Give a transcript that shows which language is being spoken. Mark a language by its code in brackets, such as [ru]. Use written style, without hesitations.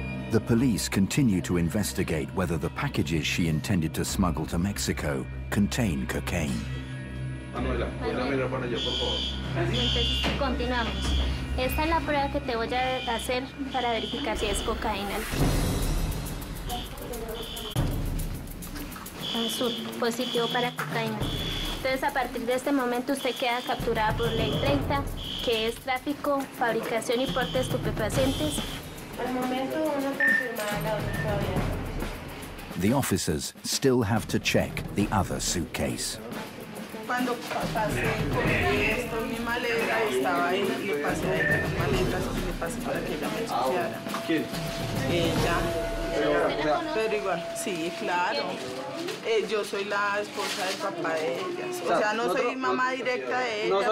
[en] The police continue to investigate whether the packages she intended to smuggle to Mexico contain cocaine. [es] Manuela, voy a mirar para allá, por favor. Entonces, continuamos. Esta es la prueba que te voy a hacer para verificar si es cocaína. Azul, positivo para cocaína. Entonces, a partir de este momento, usted queda capturada por ley 30. Que es tráfico, fabricación y porte de estupefacientes. Al momento uno confirmada la otra todavía. [en] The officers still have to check the other suitcase. [es] Cuando pasé por esto, mi maleta estaba ahí, me pasé ahí las maletas y me pasé para que ella me chequeara. ¿Quién? Ella. Pero igual, sí, claro. Yo soy la esposa del papá de ellas. O sea, no soy mamá directa de ellas.